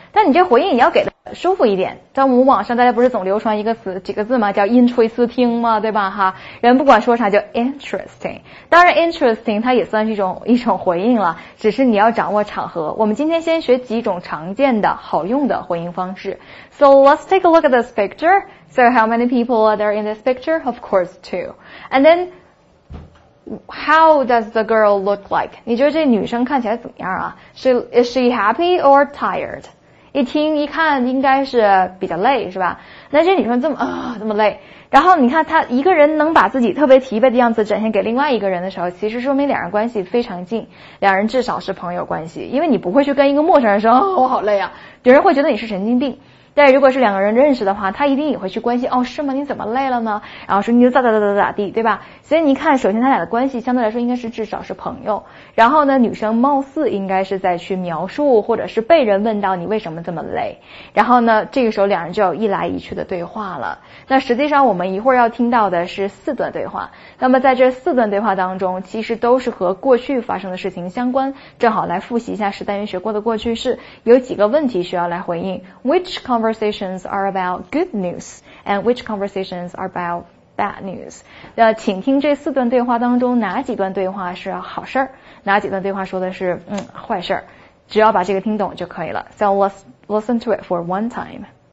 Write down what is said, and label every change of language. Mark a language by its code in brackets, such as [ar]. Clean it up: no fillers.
[zh] 但你这回应也要给的舒服一点。在我们网上大家不是总流传一个词几个字吗，叫因吹思听吗，对吧哈。人不管说啥叫 interesting。当然 interesting 它也算是一种回应了，只是你要掌握场合。我们今天先学几种常见的好用的回应方式。 [en] So let's take a look at this picture. So how many people are there in this picture? Of course, two. And then,How does the girl look like? [zh] 你觉得这女生看起来怎么样啊？ [en] Is she happy or tired? [zh] 一听一看应该是比较累是吧？那这女生这么累，然后你看她一个人能把自己特别疲惫的样子展现给另外一个人的时候，其实说明两人关系非常近，两人至少是朋友关系。因为你不会去跟一个陌生人说，哦，我好累啊，别人会觉得你是神经病。但如果是两个人认识的话，他一定也会去关心，哦，是吗？你怎么累了呢？然后说你咋咋咋咋咋地，对吧？所以你看，首先他俩的关系相对来说应该是至少是朋友。然后呢，女生貌似应该是在去描述，或者是被人问到你为什么这么累。然后呢，这个时候两人就有一来一去的对话了。那实际上我们一会儿要听到的是四段对话。那么在这四段对话当中，其实都是和过去发生的事情相关。正好来复习一下十单元学过的过去式，有几个问题需要来回应。 [en] Which conversations are about good news and which conversations are about bad news. [zh] 请听这四段对话当中哪几段对话是好事，哪几段对话说的是坏事，只要把这个听懂就可以了。 [en] So let's listen to it for one time.